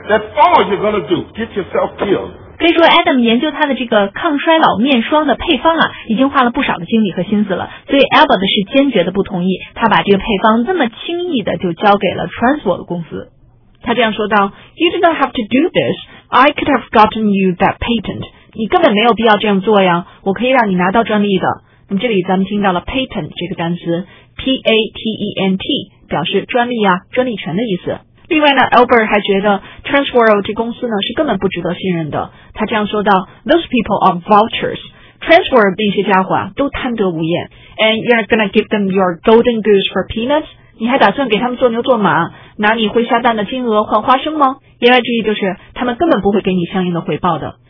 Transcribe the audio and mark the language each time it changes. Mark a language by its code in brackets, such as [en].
[en] That's all you're going to do. Get yourself killed. [zh] 可以说 Adam 研究他的这个抗衰老面霜的配方啊，已经花了不少的精力和心思了，所以 Albert 是坚决的不同意他把这个配方那么轻易的就交给了 Transworld 公司。他这样说道， [en] You did not have to do this. I could have gotten you that patent. [zh] 你根本没有必要这样做呀，我可以让你拿到专利的。那这里咱们听到了 patent 这个单词， P-A-T-E-N-T 表示专利啊，专利权的意思。另外呢， Albert 还觉得 Transworld 这公司呢是根本不值得信任的。他这样说道， [en] Those people are vultures. [zh] Transworld 那些家伙啊都贪得无厌。 [en] And you're gonna give them your golden goose for peanuts? [zh] 你还打算给他们做牛做马，拿你会下蛋的金额换花生吗？言外之意就是他们根本不会给你相应的回报的。